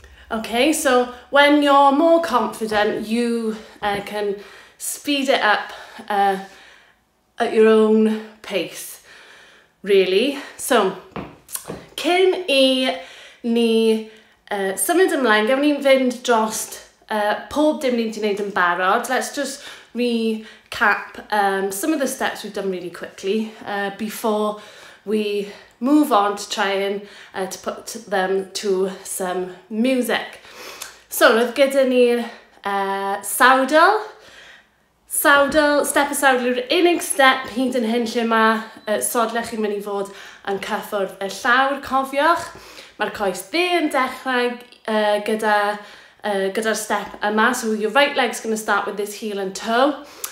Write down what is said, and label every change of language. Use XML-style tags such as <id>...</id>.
<en>Okay, so when you're more confident, you can speed it up at your own pace. Really.</en> <cy>So, cyn I ni symud ymlaen, gawn ni'n fynd drost pob dim ni'n di wneud yn barod.</cy> <en>Let's just recap some of the steps we've done really quickly before we move on to trying to put them to some music.</en> <cy>So, roedd gyda ni'r sawdl. Sawdl, step y sawdl yw'r unig step hyd yn hyn lle mae sodle chi'n mynd i fod yn cyffwrdd y llawr, cofiwch. Mae'r coes dde yn dechrau gyda'r step yma,</cy> <en>so your right leg's going to start with this heel and toe.</en>